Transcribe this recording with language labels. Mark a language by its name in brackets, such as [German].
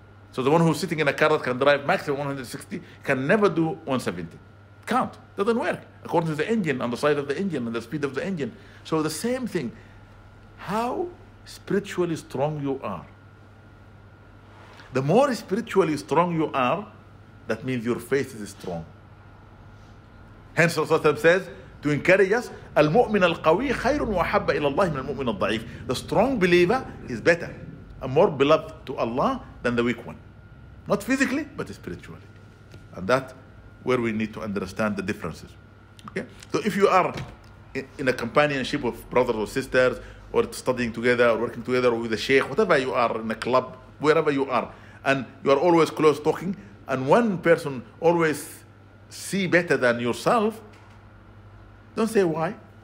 [English] So the one who's sitting in a car that can drive maximum 160 can never do 170. Can't. Doesn't work. According to the engine and the size of the engine and the speed of the engine. So the same thing. How spiritually strong you are. The more spiritually strong you are, That means your faith is strong. Hence, Rasulullah SAW says, to encourage us, [Arabic] المؤمن القوي خير وحب إلى الله من المؤمن الضعيف. [English] The strong believer is better and more beloved to Allah than the weak one. Not physically, but spiritually. And that's where we need to understand the differences. Okay? So if you are in a companionship of brothers or sisters, or studying together, or working together with a sheikh, whatever you are, in a club, wherever you are, and you are always close talking, and one person always see better than yourself, don't say why.